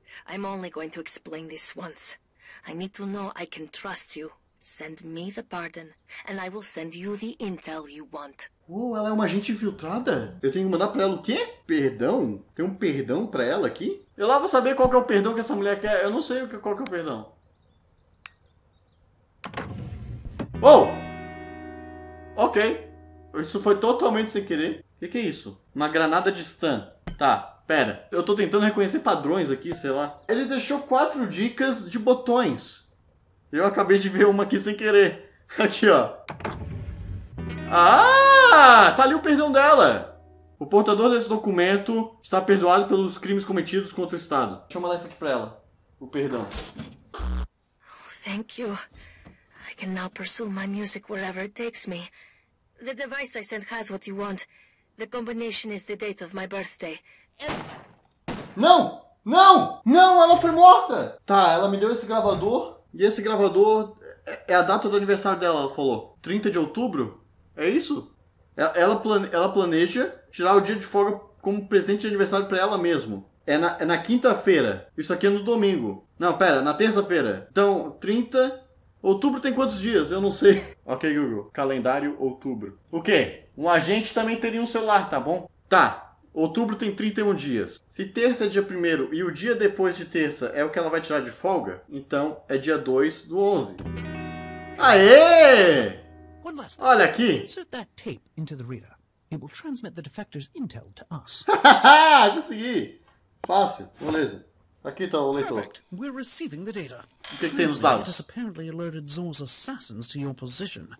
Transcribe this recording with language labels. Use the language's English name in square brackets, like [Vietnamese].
[English] I'm only going to explain this once. I need to know I can trust you. Send me the pardon, and I will send you the intel you want. [Portuguese] Oh, ela é uma agente infiltrada? Eu tenho que mandar pra ela o quê? Perdão? Tem um perdão pra ela aqui? Eu lá vou saber qual que é o perdão que essa mulher quer. Eu não sei qual que é o perdão. Oh! Ok. Isso foi totalmente sem querer. O que, que é isso? Uma granada de Stun. Tá, pera. Eu tô tentando reconhecer padrões aqui, sei lá. Ele deixou 4 dicas de botões. Eu acabei de ver uma aqui sem querer. Aqui, ó. Ah! Tá ali o perdão dela! O portador desse documento está perdoado pelos crimes cometidos contra o Estado. Deixa eu mandar isso aqui pra ela. O perdão. [English] Thank you. I can now pursue my music wherever it takes me. The device I sent has what you want. The combination is the date of my birthday. [Portuguese] Não! Não! Não, ela foi morta! Tá, ela me deu esse gravador. E esse gravador é a data do aniversário dela, ela falou. 30 de outubro? É isso? Ela planeja tirar o dia de folga como presente de aniversário pra ela mesmo. É na quinta-feira. Isso aqui é no domingo. Não, pera, na terça-feira. Então, 30... Outubro tem quantos dias? Eu não sei. Ok, Google. Calendário, outubro. O quê? Um agente também teria um celular, tá bom? Tá. Outubro tem 31 dias. Se terça é dia 1º e o dia depois de terça é o que ela vai tirar de folga, então é dia 2 do 11. Aê! Olha aqui. [English] Insert that tape into the reader. It will transmit the defector's intel to us. [Portuguese] Consegui. Fácil. Beleza. Aqui tá o leitor. [English] Perfect. We're receiving the data. [Portuguese] O que tem nos dados? [English] Apparently alerted Zor's assassins to your position.